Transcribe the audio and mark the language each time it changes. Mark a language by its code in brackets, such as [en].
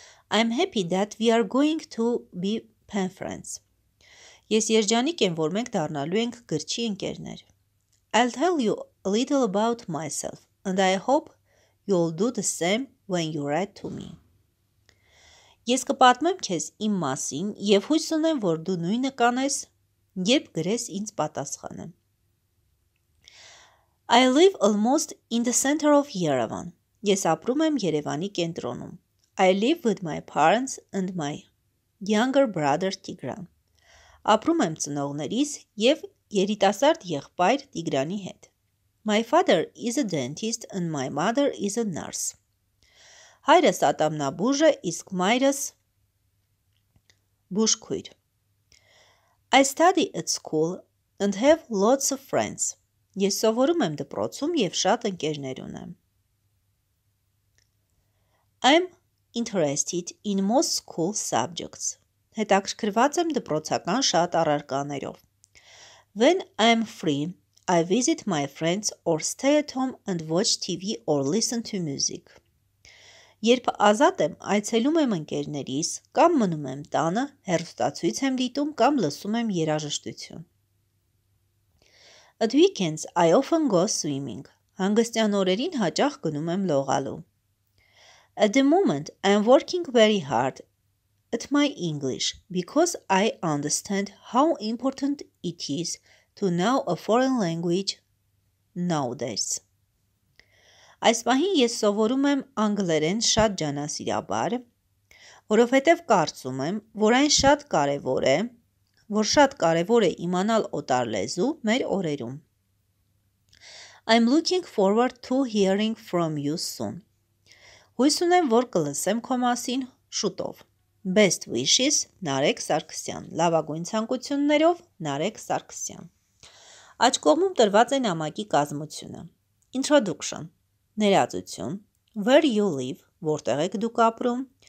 [en] I'm happy that we are going to be pen friends. [hy] Ես երջանիկ եմ, որ մենք դառնալու ենք գրչի ընկերներ. [en] I'll tell you a little about myself, and I hope you'll do the same when you write to me. [hy] Ես կպատմեմ քեզ իմ մասին և հույս ունեմ, որ դու նույնը կանես, երբ գրես ինձ պատասխանը. [en] I live almost in the center of Yerevan. [hy] Ես ապրում եմ Երևանի կենտրոնում. [en] I live with my parents and my younger brother Tigran. [hy] Ապրում եմ ծնողներիս և երիտասարդ եղբայր Տիգրանի հետ. [en] My father is a dentist and my mother is a nurse. [hy] Հայրս ատամնաբուժ է, իսկ մայրս բուժքույր. [en] I study at school and have lots of friends. [hy] Ես սովորում եմ դպրոցում և շատ ընկերներ ունեմ. [en] I'm interested in most school subjects. [hy] Հետաքրքրված եմ դպրոցական շատ առարկաներով. [en] When I'm free, I visit my friends or stay at home and watch TV or listen to music. [hy] Երբ ազատ եմ, այցելում եմ ընկերներիս, կամ մնում եմ տանը, հեռուստացույց եմ դիտում կամ լսում եմ երաժշտություն. [en] At weekends, I often go swimming. [hy] Հանգստյան օրերին հաճախ գնում եմ լողալու. [en] At the moment, I'm working very hard at my English because I understand how important it is to know a foreign language nowadays. [hy] Այս պահին ես սովորում եմ անգլերեն շատ ջանասիրաբար, որովհետև կարծում եմ, որ այն շատ կարևոր է, որ շատ կարևոր է իմանալ օտար լեզու մեր օրերում. [en] I'm looking forward to hearing from you soon. [hy] Հույս ունեմ, որ կլսեմ քո մասին շուտով. Best wishes, Նարեկ Սարգսյան. Լավագույն ցանկություններով, Նարեկ Սարգսյան. Աջ կողմում տրված է նամակի կազմությունը. Introduction. Ներածություն. [en] Where you live, [hy] որտեղ եք դուք ապրում.